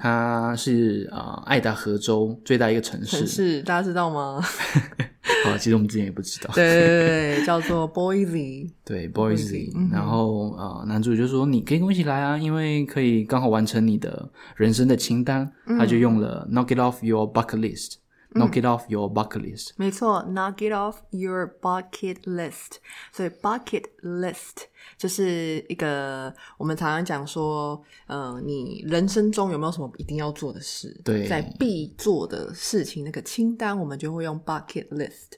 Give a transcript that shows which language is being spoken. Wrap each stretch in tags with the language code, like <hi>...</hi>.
<zh>她是爱达荷州最大一个城市。城市大家知道吗？好，其实我们之前也不知道。对对对，叫做 Boise。对 ，Boise。然后男主角就说：“你可以跟我一起来啊，因为可以刚好完成你的人生的清单。嗯” 他就用了</zh> <en>“Knock it off your bucket list”。 Knock it off your bucket list、</en> <zh>嗯、没错</zh> <en>Knock it off your bucket list</en> <zh>所以 bucket list 就是一个我们常常讲说你人生中有没有什么一定要做的事，对，在必做的事情那个清单我们就会用 bucket list</zh>